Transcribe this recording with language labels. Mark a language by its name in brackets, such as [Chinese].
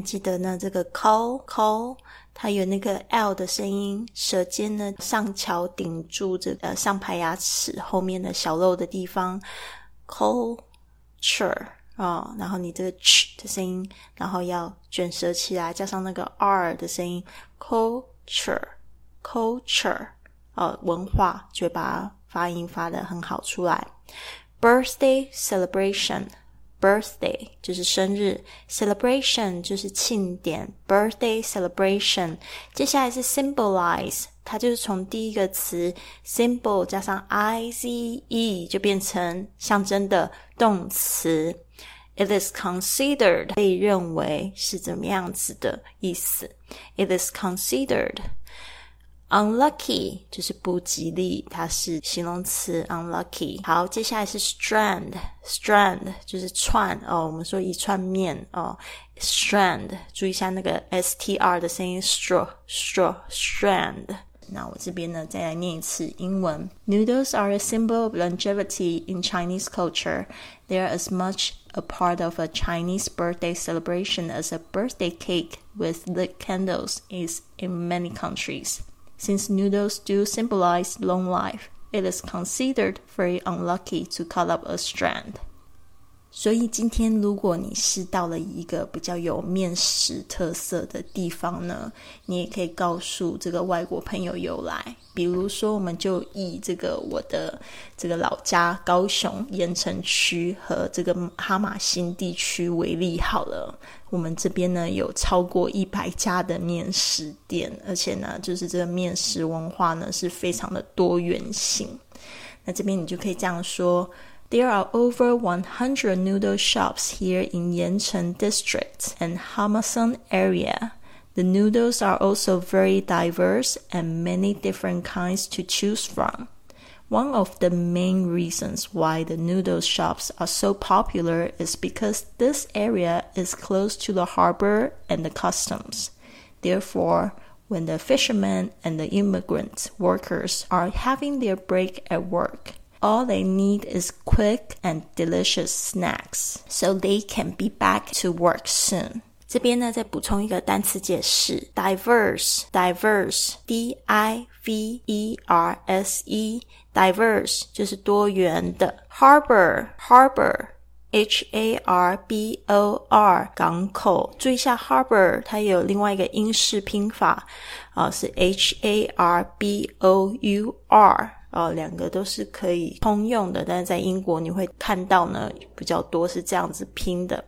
[Chinese] 记得呢这个 call 它有那个 L 的声音，舌尖呢上翘顶住这个上排牙齿后面的小肉的地方， culture ，然后你这个 ch 的声音然后要卷舌起来，加上那个 R 的声音， culture 文化，就把发音发得很好出来。 Birthday celebration, birthday 就是生日， celebration 就是庆典， birthday celebration. 接下来是 symbolize, 它就是从第一个词 symbol 加上 ize 就变成象征的动词。 [English] It is considered [Chinese] 被认为是怎么样子的意思。 [English] It is considered. [Chinese] Unlucky 就是不吉利，它是形容词 unlucky。好，接下来是 strand 就是串，我们说一串面，strand 注意一下那个 str 的声音 strand 那我这边呢再来念一次英文。 [English] Noodles are a symbol of longevity in Chinese culture. They are as much a part of a Chinese birthday celebration as a birthday cake with lit candles is in many countries. Since noodles do symbolize long life, it is considered very unlucky to cut up a strand. [Chinese] 所以今天如果你是到了一个比较有面食特色的地方呢，你也可以告诉这个外国朋友由来。比如说我们就以这个我的这个老家高雄盐城区和这个哈马星地区为例好了，我们这边呢有超过100家的面食店，而且呢就是这个面食文化呢是非常的多元性。那这边你就可以这样说， [English] There are over 100 noodle shops here in Yancheng District and Hamasan area. The noodles are also very diverse and many different kinds to choose from. One of the main reasons why the noodle shops are so popular is because this area is close to the harbor and the customs. Therefore, when the fishermen and the immigrant workers are having their break at work,All they need is quick and delicious snacks, so they can be back to work soon. [Chinese] 这边呢，再补充一个单词解释 ,diverse, D-I-V-E-R-S-E, diverse, 就是多元的 ,harbor,H-A-R-B-O-R 港口，注意一下 Harbor 它也有另外一个英式拼法、是 H-A-R-B-O-U-R、两个都是可以通用的，但是在英国你会看到呢比较多是这样子拼的。